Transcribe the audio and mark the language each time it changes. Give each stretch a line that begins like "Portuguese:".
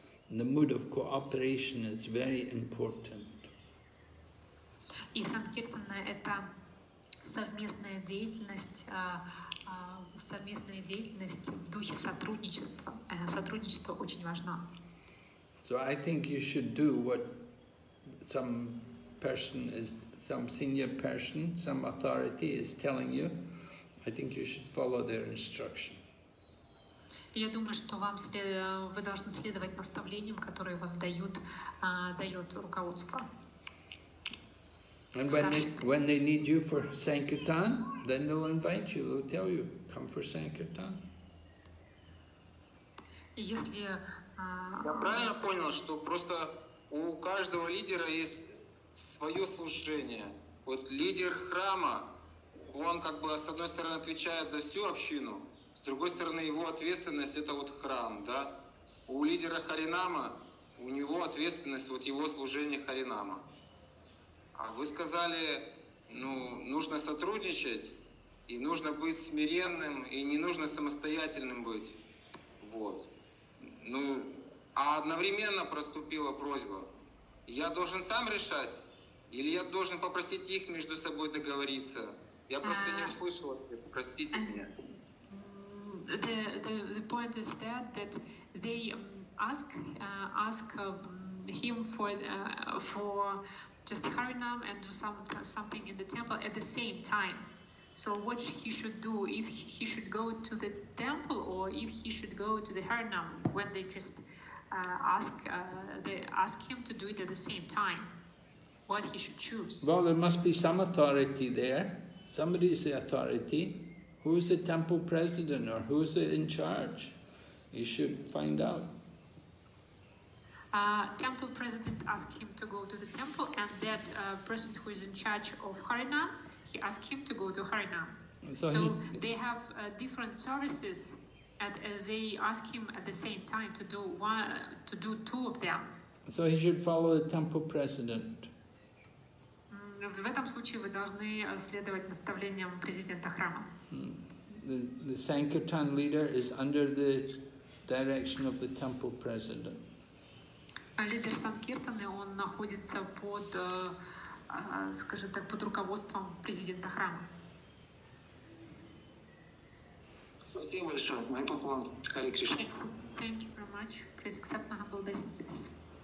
English: The mood of cooperation is very important.
Russian: И санкиртана — это совместная деятельность в духе сотрудничества. Сотрудничество очень важно.
English: So I think you should do what some senior person, some authority is telling you, I think you should follow their instruction.
Russian: Я думаю, что вы должны следовать наставлениям, которые вам дает руководство.
English: And when they need you for Sankirtan, then they'll invite you, they'll tell you, come for Sankirtan.
Russian: Если я правильно понял, что просто у каждого лидера есть свое служение. Вот лидер храма, он как бы с одной стороны отвечает за всю общину, с другой стороны его ответственность — это вот храм, да? У лидера Харинама, у него ответственность, вот его служение Харинама. А вы сказали, ну, нужно сотрудничать, и нужно быть смиренным, и не нужно самостоятельным быть. Вот. Ну, а одновременно проступила просьба. Я должен сам решать, или я должен попросить их между собой договориться? Я просто не услышал ответа. Простите меня.
English: The point is that they ask him for just Harinam and something in the temple at the same time. So what he should do, if he should go to the temple or if he should go to the Harinam, when they just ask him to do it at the same time. What he should choose. Well, there must be some authority there. Somebody is the authority. Who is the temple president or who is in charge? You should find out. Temple president asked him to go to the temple, and that person who is in charge of Harinam, he asked him to go to Harinam. So they have different services, and they ask him at the same time to do two of them. So he should follow the temple president.
Russian: В этом случае вы должны следовать наставлениям президента храма.
English: The Sankirtan leader is under the direction of the temple president.
Russian: Лидер Санкиртаны, он находится под, скажем так, под руководством президента храма. Спасибо большое. Мой поклон. Харе Кришне.
English: Thank you very much. Please accept my humble obeisances.